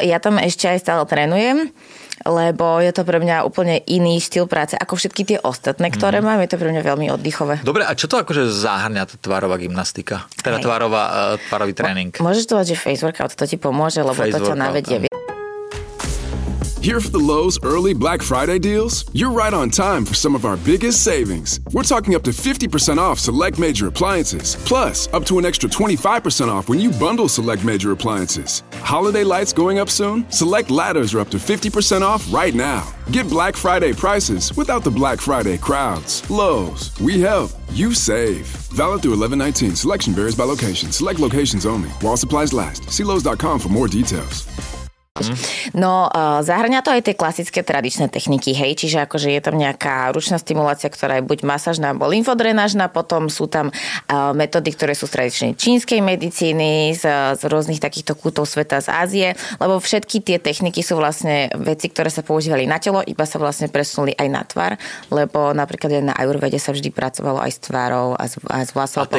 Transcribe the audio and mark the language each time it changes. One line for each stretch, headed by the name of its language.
Slovak: Ja tam ešte aj stále trénujem, lebo je to pre mňa úplne iný štýl práce ako všetky tie ostatné, ktoré mám. Je to pre mňa veľmi oddychové. Dobre, a čo to akože zahŕňa, tá tvárová gymnastika? Teda tvárový tréning. Môžeš to vať, že face workout, to ti pomôže, lebo face to ťa navedie.
English: Here for the Lowe's early Black Friday deals, you're right on time for some of our biggest savings. We're talking up to 50% off select major appliances, plus up to an extra 25% off when you bundle select major appliances. Holiday lights going up soon? Select ladders are up to 50% off right now. Get Black Friday prices without the Black Friday crowds. Lowe's, we help you save. Valid through 11/19. Selection varies by location. Select locations only. While supplies last. See Lowe's.com for more details.
Slovak: No, zahŕňa to aj tie klasické tradičné techniky, hej, čiže akože je tam nejaká ručná stimulácia, ktorá je buď masážna, alebo lymfodrenážna, potom sú tam metódy, ktoré sú z tradičnej čínskej medicíny, z rôznych takýchto kútov sveta z Ázie, lebo všetky tie techniky sú vlastne veci, ktoré sa používali na telo, iba sa vlastne presunuli aj na tvár, lebo napríklad aj na ajurvede sa vždy pracovalo aj s tvárou a s vlasovou